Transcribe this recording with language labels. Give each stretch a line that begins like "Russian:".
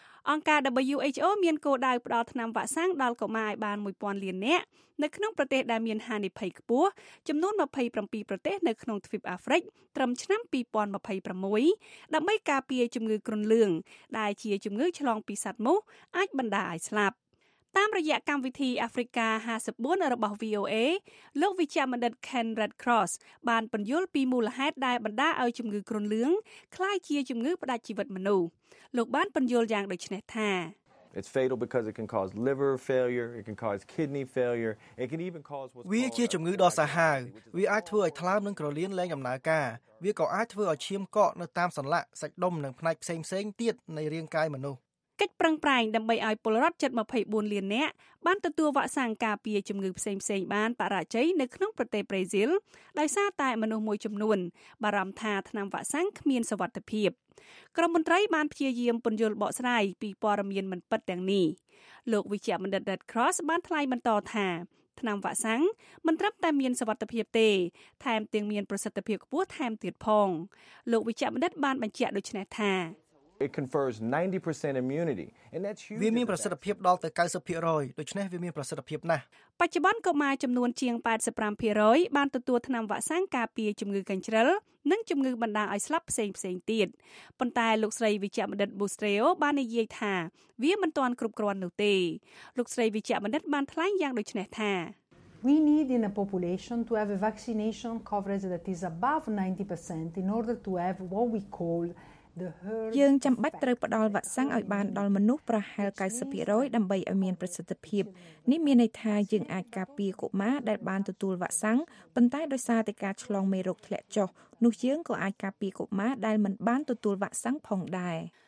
Khmer: អង្គការ WHO មានគោលដៅផ្តល់ថ្នាំវ៉ាក់សាំងដល់កុមារឱ្យបាន1000លាននាក់នៅក្នុងប្រទេសដែលមានហានិភ័យខ្ពស់ចំនួន27ប្រទេសនៅក្នុងទ្វីបអាហ្វ្រិកត្រឹមឆ្នាំ2026ដើម្បីការពារជំងឺគ្រុនលឿងដែលជាជំងឺឆ្លងពីសត្វមូសអាចបណ្តាលឱ្យស្លាប់តាមរយៈកម្មវិធី Africa 54របស់ VOA លោកវិជ្ជបណ្ឌិត Ken Redcross បានពន្យល់ពីមូលហេតុដែលបណ្តាលឱ្យជំងឺគ្រុនលឿងក្លាយជាជំងឺផ្តាច់ជីវិតមនុស្សលោកបានពន្យល់យ៉ាងដូចនេះថា
English: It's fatal because it can cause liver failure, it can cause kidney failure, it can even cause what's called
Khmer: វាជាជំងឺដ៏សាហាវវាអាចធ្វើឲ្យថ្លើមនិងក្រលៀនលែងដំណើរការវាក៏អាចធ្វើឲ្យឈាមកកនៅតាមសន្លាក់សាច់ដុំនិងផ្នែកផ្សេងៗទៀតនៃរាងកាយមនុស្ស កិច្ចប្រឹងប្រែងដើម្បីឲ្យពលរដ្ឋជិត24លាននាក់បានទទួលវ៉ាក់សាំងការពារជំងឺផ្សេងៗបានបរាជ័យនៅក្នុងប្រទេសប្រេស៊ីលដោយសារតែមនុស្សមួយចំនួនបារម្ភថាថ្នាំវ៉ាក់សាំងគ្មានសុវត្ថិភាពក្រុមមន្ត្រីបានព្យាយាមពន្យល់បកស្រាយពីព័ត៌មានមិនពិតទាំងនេះលោកវិជ្ជបណ្ឌិត Red Cross បានថ្លែងបន្តថាថ្នាំវ៉ាក់សាំងមិនត្រឹមតែមានសុវត្ថិភាពទេថែមទាំងមានប្រសិទ្ធភាពខ្ពស់ថែមទៀតផងលោកវិជ្ជបណ្ឌិតបានបញ្ជាក់ដូច្នេះថា
English: It confers 90% immunity and that's huge.
Khmer: វាមានប្រសិទ្ធភាពដល់ទៅ 90% ដូច្នេះវាមានប្រសិទ្ធភាពណាស់បច្ចុប្បន្នកុមារចំនួនជាង 85% បានទទួលថ្នាំវ៉ាក់សាំងការពារជំងឺកញ្ជ្រឹលនិងជំងឺបណ្ដាឲ្យស្លាប់ផ្សេងផ្សេងទៀតប៉ុន្តែលោកស្រីវិជ្ជបណ្ឌិតប៊ូស្ត្រេអូបាននិយាយថាវាមិនទាន់គ្រប់គ្រាន់នោះទេលោកស្រីវិជ្ជបណ្ឌិតបានថ្លែងយ៉ាងដូចនេះថា
English: We need in a population to have a vaccination coverage that is above 90% in order to have what we call
Khmer: យើងចាំបាច់ត្រូវផ្តល់វ៉ាក់សាំងឲ្យបានដល់មនុស្សប្រហែល 90% ដើម្បីឲ្យមានប្រសិទ្ធភាពនេះមានន័យថាយើងអាចការពារកុមារដែលបានទទួលវ៉ាក់សាំងប៉ុន្តែដោយសារតែការឆ្លងមេរោគធ្លាក់ចុះនោះយើងក៏អាចការពារកុមារដែលមិនបានទទួលវ៉ាក់សាំងផងដែរ